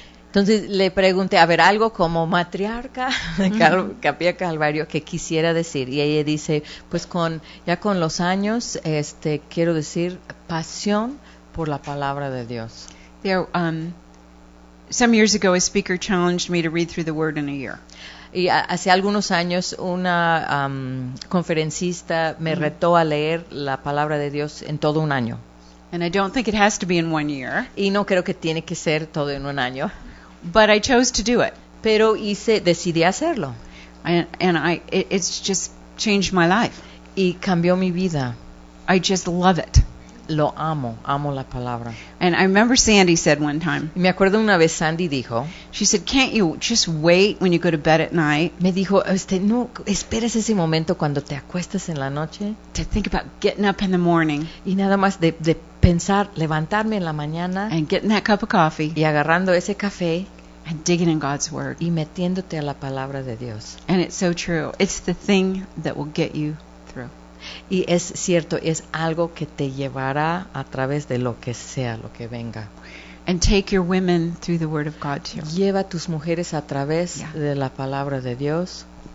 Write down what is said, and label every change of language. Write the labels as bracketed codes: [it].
[es] Entonces le pregunté, a ver, algo como matriarca de Capilla Calvario que quisiera decir, y ella dice, pues con ya con los años, quiero decir pasión por la palabra de Dios. [en] There, some years ago, a speaker challenged me to read through the word in a year. [es] Y hace algunos años una conferencista me retó a leer la palabra de Dios en todo un año. [en] And I don't think it has to be in one year. [es] Y no creo que tiene que ser todo en un año. [en] But I chose to do it. [es] Pero decidí hacerlo. [en] And it's just changed my life. [es] Y cambió mi vida. [en] I just love it. [es] Lo amo. Amo la palabra. [en] And I remember Sandy said one time. [es] Y me acuerdo una vez Sandy dijo. [en] She said, "Can't you just wait when you go to bed at night?" [es] Me dijo, no, esperes ese momento cuando te acuestas en la noche. [en] To think about getting up in the morning. [es] Y nada más de pensar levantarme en la mañana. [en] And getting that cup of coffee. [es] Y agarrando ese café. [en] And digging in God's word. [es] Y metiéndote a la palabra de Dios. [en] And it's so true. It's the thing that will get you through. [es] Y es cierto, es algo que te llevará a través de lo que sea, lo que venga. [en] And take your women through the word of God too. [es] Lleva a tus mujeres a través de la palabra de Dios.